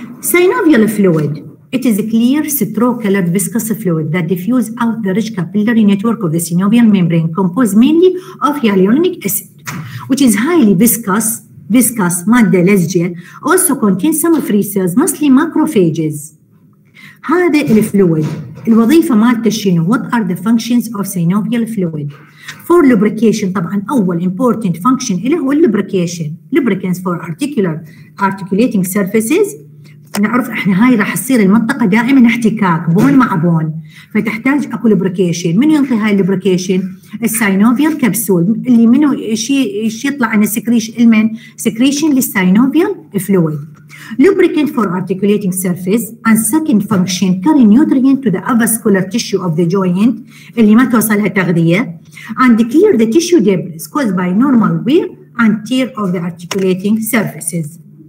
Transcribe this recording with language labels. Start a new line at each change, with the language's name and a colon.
English: Synovial fluid. It is a clear straw-colored viscous fluid that diffuses out the rich capillary network of the synovial membrane, composed mainly of hyaluronic acid, which is highly viscous, viscous,
Arabic: مادة لزجية,
English: also contains some free cells, mostly macrophages.
Arabic: هذا الفلويد. الوظيفة مالته شنو?
English: What are the functions of synovial fluid? For lubrication,
Arabic: طبعا أول
English: important function إله هو lubrication. Lubricants for articulating surfaces.
Arabic: نعرف إحنا هاي راح تصير المنطقة دائما احتكاك bone مع bone. فتحتاج أكو lubrication. من ينطي هاي lubrication?
English: Synovial capsule.
Arabic: اللي منه شي يطلع عن secretion.
English: Secretion للsynovial fluid. Lubricant for articulating surface and second function carry nutrient to the avascular tissue of the joint
Arabic: اللي ما توصلها تغذية
English: and clear the tissue debris caused by normal wear and tear of the articulating surfaces.